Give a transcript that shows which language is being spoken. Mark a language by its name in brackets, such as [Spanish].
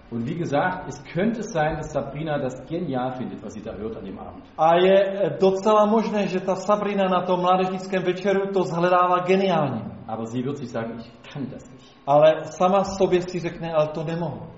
[German] Und wie gesagt, es könnte sein, dass Sabrina das genial findet, was sie da hört an dem Abend. [Czech] A je docela možné, že ta Sabrina na tom mládežnickém večeru to shledává geniálně. [German] Aber sie wird sich sagen, ich kann das nicht. [Czech] Ale sama sobě si řekne, ale to nemohu.